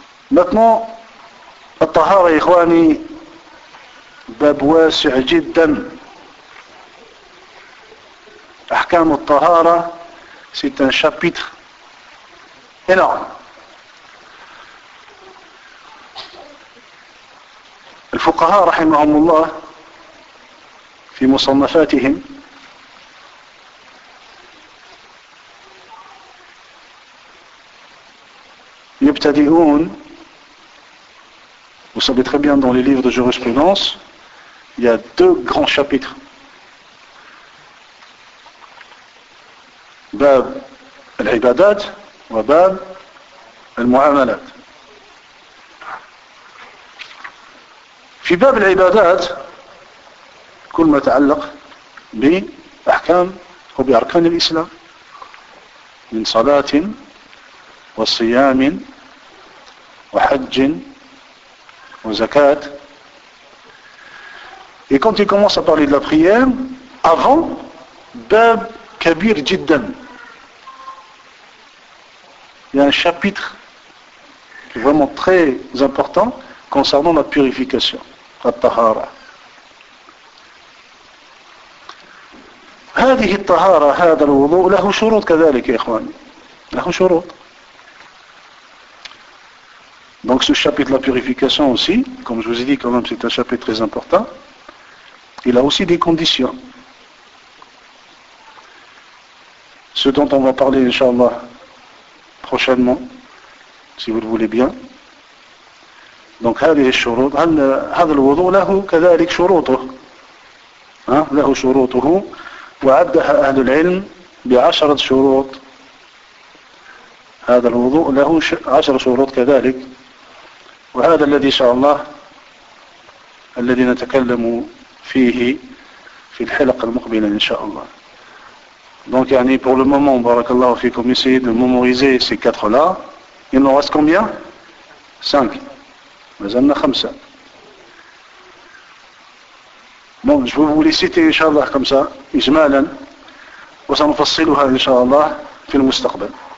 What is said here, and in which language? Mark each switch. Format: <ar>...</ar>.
<fr>maintenant</fr> <ar>الطهارة إخواني باب واسع جدا أحكام الطهارة</ar> <fr>c'est un chapitre énorme.</fr> <ar>الفقهاء رحمهم الله في مصنفاتهم يبتدئون</ar> <fr>vous savez très bien dans les livres de jurisprudence il y a deux grands chapitres</fr> <ar>باب العبادات وباب المعاملات. في باب العبادات كل ما يتعلق بأحكام وبأركان الإسلام من صلاة وصيام وحج وزكاة.</ar> <fr>Et quand il commence à parler de la prière, avant,</fr> <ar>باب كبير جدا.</ar> <fr>Il y a un chapitre vraiment très important concernant la purification.</fr> <ar>الطهارة هذه الطهارة هذا الوضوء له شروط</ar> <fr>كذلك يا إخواني له شروط donc ce chapitre la purification aussi comme je vous ai dit quand même c'est un chapitre très important il a aussi des conditions ce dont on va parler inshallah prochainement si vous le voulez bien. Donc,</fr> <ar>هذه الشروط هذا الوضوء له كذلك شروطه له شروطه وعدها أهل العلم بعشرة شروط هذا الوضوء له عشرة شروط كذلك وهذا الذي شاء الله الذي نتكلم فيه في الحلقة المقبلة إن شاء الله.</ar> <fr>Donc,</fr> <ar>يعني</ar> <fr>pour le moment</fr> <ar>بارك الله فيكم</ar> <fr>essayez de mémoriser ces quatre là il nous reste combien 5</fr> <ar>مازلنا خمسة.</ar> <fr>Bon, je vais vous les citer, Inch'Allah, comme ça,</fr> <ar>إجمالا, وسنفصلها,</ar> <fr>Inch'Allah,</fr> <ar>في المستقبل.</ar>